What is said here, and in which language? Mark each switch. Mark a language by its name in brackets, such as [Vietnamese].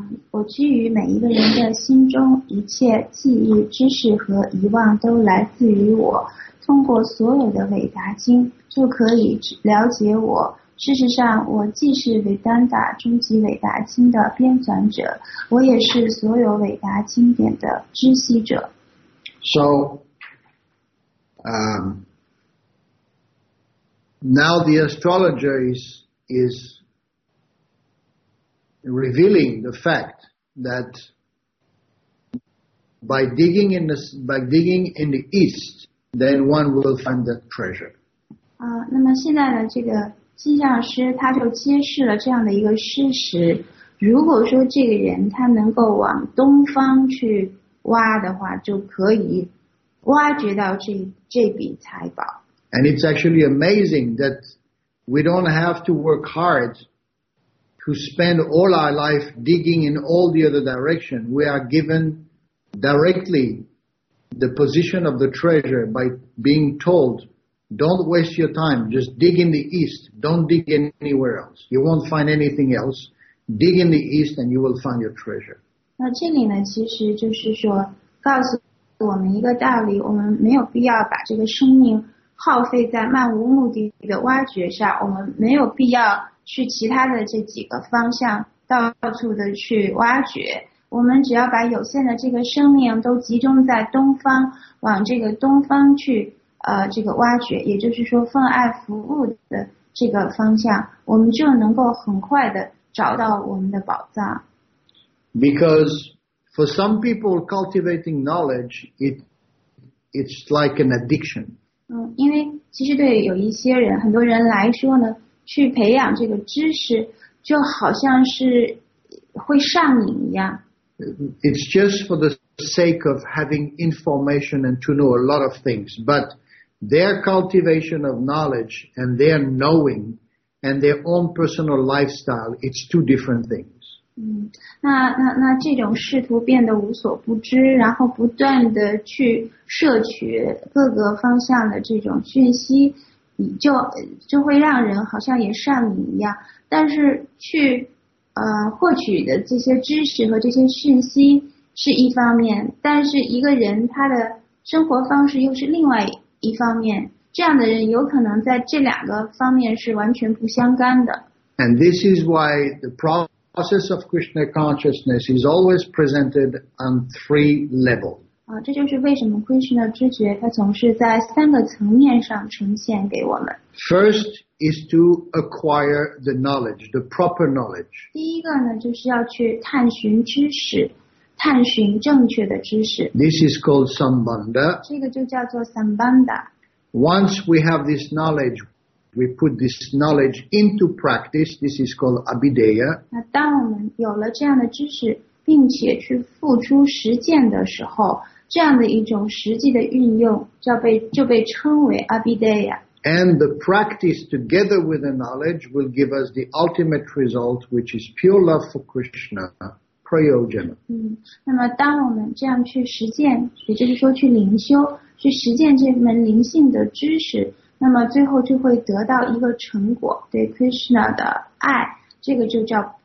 [Chinese] 我居于每一个人的心中，一切记忆、知识和遗忘都来自于我。通过所有的伟达经，就可以了解我。事实上，我既是 Vedanta 终极伟达经的编纂者，我也是所有伟达经典的知悉者。 [English] So, Now the astrologer is revealing the fact that by digging in the east, then one will find that treasure. [Chinese] 那么现在的这个气象师他就揭示了这样的一个事实：如果说这个人他能够往东方去挖的话，就可以挖掘到这笔财宝。 [English] And it's actually amazing that we don't have to work hard to spend all our life digging in all the other direction. We are given directly the position of the treasure by being told, don't waste your time, just dig in the east, don't dig anywhere else. You won't find anything else. Dig in the east and you will find your treasure. [Chinese] 那这里呢，其实就是说告诉我们一个道理，我们没有必要把这个生命耗费在漫无目的的挖掘上，我们没有必要去其他的这几个方向到处的去挖掘。我们只要把有限的这个生命都集中在东方，往这个东方去这个挖掘，也就是说奉爱服务的这个方向，我们就能够很快的找到我们的宝藏。 [English] Because for some people cultivating knowledge, it's like an addiction. [Chinese] 因为其实对有一些人，很多人来说呢，去培养这个知识就好像是会上瘾一样。 [English] It's just for the sake of having information and to know a lot of things, but their cultivation of knowledge and their knowing and their own personal lifestyle, it's two different things. [Chinese] 那这种试图变得无所不知，然后不断的去摄取各个方向的这种讯息，就会让人好像也上瘾一样。但是去获取的这些知识和这些讯息是一方面，但是一个人他的生活方式又是另外一方面，这样的人有可能在这两个方面是完全不相干的。 [English] And this is why the process of Krishna consciousness is always presented on three levels. [Chinese] 这就是为什么 Krishna 知觉它总是在三个层面上呈现给我们。 [English] First is to acquire the knowledge, the proper knowledge. [Chinese] 第一个呢，就是要去探寻知识，探寻正确的知识。 [English] This is called sambandha. [Chinese] 这个就叫做 sambandha. [English] Once we have this knowledge, we put this knowledge into practice. This is called abhideya. [Chinese] 那当我们有了这样的知识，并且去付出实践的时候，这样的一种实际的运用就被称为 abhideya。 [English] And the practice together with the knowledge will give us the ultimate result, which is pure love for Krishna, prayojana。 [Chinese] 那么当我们这样去实践，也就是说去灵修，去实践这门灵性的知识，那么最后就会得到一个成果，对 Krishna 的爱，这个就叫